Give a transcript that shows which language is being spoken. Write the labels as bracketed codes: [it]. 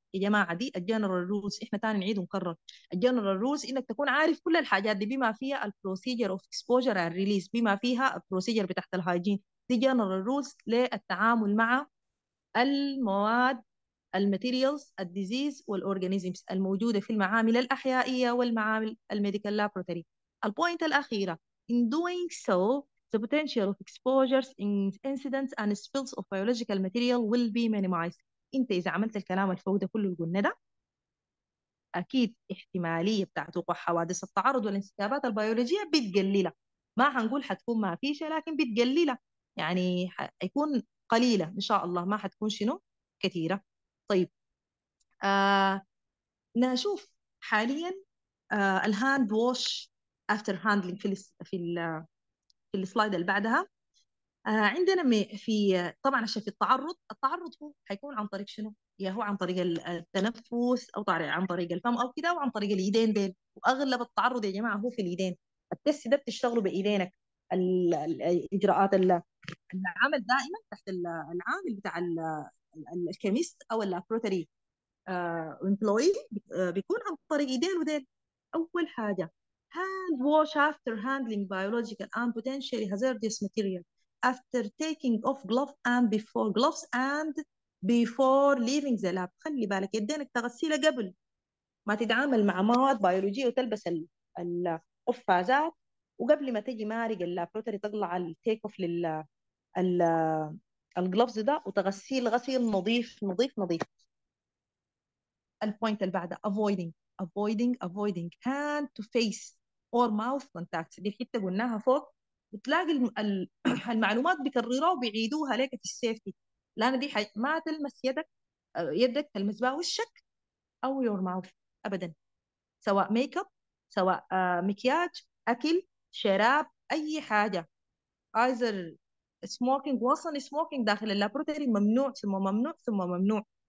[ar] يا جماعة دي الجنرال رولز، احنا تاني نعيد ونكرر، الجنرال رولز انك تكون عارف كل الحاجات دي بما فيها [en] البروسيجر of exposure and release, [ar] بما فيها البروسيجر بتاعت الهايجين، دي جنرال رولز للتعامل مع المواد الماتيريالز الديزيز والاورجانيزمز الموجوده في المعامل الاحيائيه والمعامل الميديكال لابوراتوري. البوينت الاخيره [en] in doing so the potential of exposures in incidents and spills of biological material will be minimized. [ar] انت اذا عملت الكلام الفوق ده كله اللي قلنا ده، اكيد احتماليه بتاعت وقوع حوادث التعرض والانسكابات البيولوجيه بتقللها، ما هنقول حتكون ما فيش لكن بتقللها، يعني حيكون قليله ان شاء الله، ما حتكون شنو كثيره. طيب نشوف حاليا الهاند ووش افتر هاندلنج في السلايد اللي بعدها. عندنا في طبعا عشان في التعرض، التعرض هو حيكون عن طريق شنو؟ يا هو عن طريق التنفس او عن طريق الفم او كده، وعن طريق الايدين ديل، واغلب التعرض يا جماعه هو في الايدين. التست ده بتشتغله بايدينك، الاجراءات العمل دائما تحت العامل بتاع الكيميست او اللابراتوري امبلوي بيكون عن طريق ايدين وديل. [en] اول حاجه hand wash after handling biological and potentially hazardous material after taking off gloves and before gloves and before leaving the lab. [ar] خلي بالك يدينك تغسيلة قبل ما تتعامل مع مواد بيولوجية وتلبس القفازات، وقبل ما تجي مارق اللابراتوري تطلع التيك اوف لل الجلوفز ده، وتغسيل غسيل نظيف نظيف نظيف. البوينت اللي بعده [en] avoiding hand to face or mouth contact. [ar] دي حتة قلناها فوق، بتلاقي المعلومات بيكرروها وبيعيدوها لك في السيفتي، لان دي ما تلمس يدك تلمس بها وشك او [en] your mouth [ar] ابدا، سواء ميك اب سواء مكياج اكل شراب اي حاجه، ايزر سموكينج، واصلا سموكينج داخل اللابراتوري ممنوع ثم ممنوع ثم ممنوع.